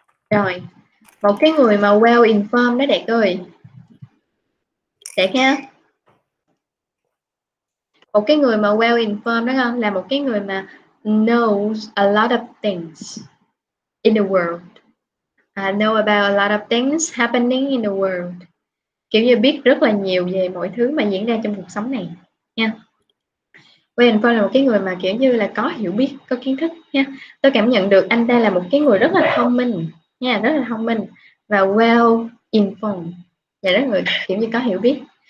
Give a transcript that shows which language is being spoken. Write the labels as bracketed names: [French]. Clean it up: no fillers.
[Vietnamese] Rồi, một cái người mà well informed đó đẹp ơi. Đẹp ha. Một cái người mà well informed đó không? Là một cái người mà [English] knows a lot of things in the world. I know about a lot of things happening in the world. [Vietnamese] Kiểu như biết rất là nhiều về mọi thứ mà diễn ra trong cuộc sống này nha. Well informed là một cái người mà kiểu như là có hiểu biết, có kiến thức nha. Tôi cảm nhận được anh ta là một cái người rất là thông minh. Nha, rất là thông minh và well informed. Và rất người kiểu như có hiểu biết.